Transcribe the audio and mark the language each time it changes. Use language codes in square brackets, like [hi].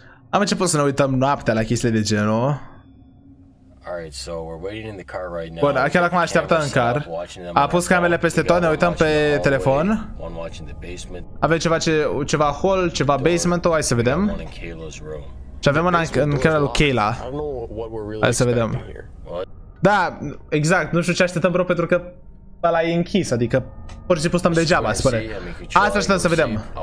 [ro] Am început să ne uităm noaptea la chestii de genul. [en] Alright, so we're waiting in the car right now. [ro] Bun, chiar acum așteptăm în car. A pus camerele peste tot, ne uităm pe telefon. Avem ceva, ceva hall, ceva basement-ul, hai să vedem. Și avem una în camera lui Kayla. Hai să vedem. Da, exact, nu știu ce așteptăm, bro, pentru că ăla e închis, adică pur și simplu stăm degeaba, spune. Asta așteptăm să vedem.